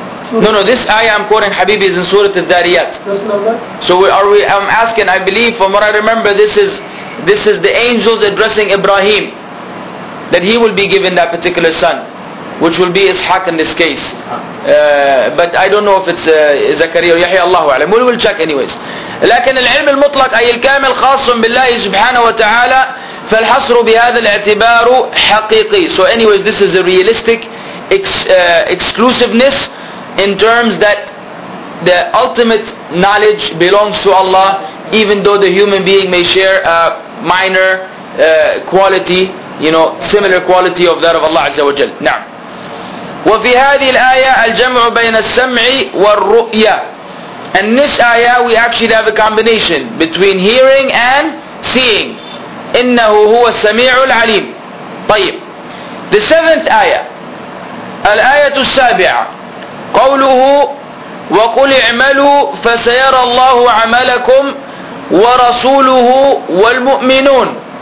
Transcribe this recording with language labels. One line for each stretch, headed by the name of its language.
English: No, this ayah I'm quoting, Habibi, is in Surah Al-Dhariyat. So I'm asking, I believe from what I remember, this is the angels addressing Ibrahim, that he will be given that particular son, which will be Ishaq in this case. But I don't know if it's Zakaria or Yahya, Allahu A'lam. We will check anyways.
Arabic: لكن العلم المطلق أي الكامل خاص بالله سبحانه وتعالى فالحصر بهذا الاعتبار حقيقي.
English: So anyways, this is a realistic exclusiveness in terms that the ultimate knowledge belongs to Allah, even though the human being may share a minor quality, you know, similar quality of that of Allah Azza wa Jal.
Arabic: نعم. وفي هذه الآية الجمع بين السمع والرؤية.
English: And this ayah, we actually have a combination between hearing and seeing.
Arabic: إِنَّهُ هُوَ السَّمِيعُ الْعَلِيمُ. طيب.
English: The seventh ayah.
Arabic: الآية السابعة. قوله وَقُلْ اِعْمَلُوا فَسَيَرَى اللَّهُ عَمَلَكُمْ وَرَسُولُهُ وَالْمُؤْمِنُونَ.